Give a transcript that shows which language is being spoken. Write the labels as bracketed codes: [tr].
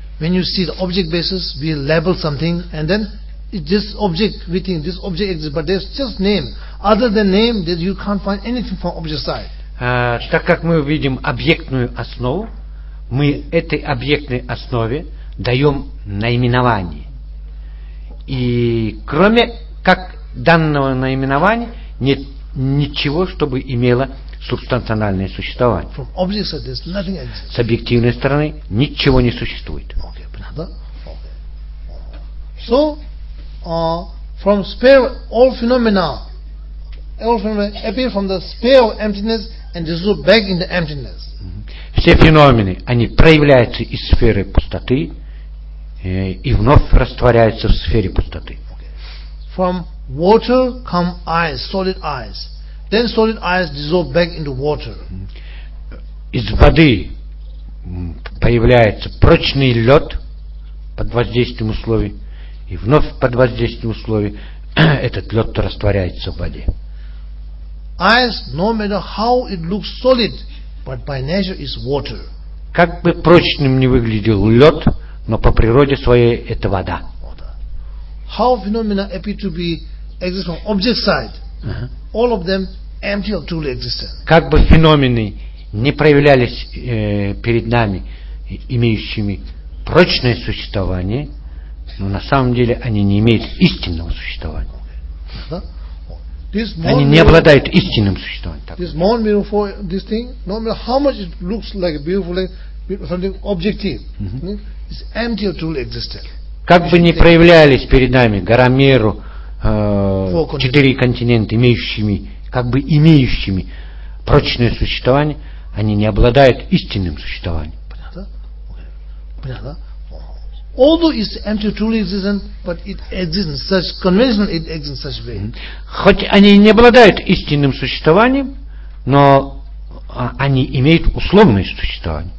[en] When you see the object basis, we label something, and then this object, we think this object exists, but there's just name. Other than name, that you can't find anything from object side. [ru] Так как мы видим объектную основу, мы этой объектной основе даем наименование. И кроме как данного наименования, нет ничего, чтобы имело субстанциональное существование. [en] From object side, there's nothing exists. [ru] С объективной стороны ничего не существует. [en] Okay, [ru] понятно? [en] Okay. So, from sphere, all phenomena appear from the sphere of emptiness and dissolve back in the emptiness. [ru] Все феномены, они проявляются из сферы пустоты и вновь растворяются в сфере пустоты. [en] From water come ice, solid ice. Then solid ice dissolve back into water. [ru] Из воды появляется прочный лед под воздействием условий, и вновь под воздействием условий этот лед растворяется в воде. [en] Ice, no matter how it looks solid, but by nature is water. [ru] Как бы прочным ни выглядел лед, но по природе своей это вода. [en] How phenomena appear to be exist from object side? All of them empty of truly existence. [ru] Как бы феномены не проявлялись перед нами, имеющими прочное существование, но на самом деле они не имеют истинного существования. Они не обладают истинным существованием. [en] This more beautiful this thing, no matter how much it looks like beautiful, like something objective, it's empty of truly existence. [ru] Как бы ни проявлялись перед нами гора Меру, четыре континента, имеющими прочное существование, они не обладают истинным существованием. Понятно? [en] Although it's empty truly existent, but it exists in such conventional, it exists in such way. [ru] Хоть они не обладают истинным существованием, но они имеют условное существование.